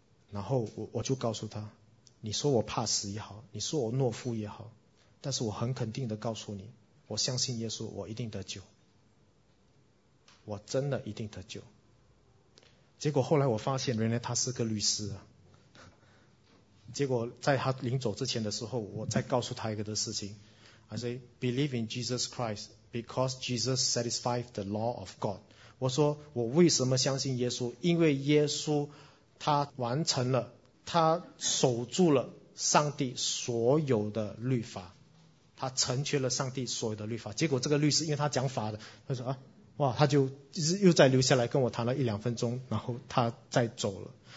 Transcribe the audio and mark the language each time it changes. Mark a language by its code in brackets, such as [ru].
[zh] 然后我就告诉他，你说我怕死也好，你说我懦夫也好，但是我很肯定的告诉你，我相信耶稣，我一定得救，我真的一定得救。结果后来我发现，原来他是个律师啊。结果在他临走之前的时候，我再告诉他一个的事情。 [en] I say, believe in Jesus Christ because Jesus satisfied the law of God. [zh] 我说我为什么相信耶稣？因为耶稣他完成了，他守住了上帝所有的律法，他成全了上帝所有的律法。结果这个律师，因为他讲法的，他说啊，哇，他就又再留下来跟我谈了一两分钟，然后他再走了。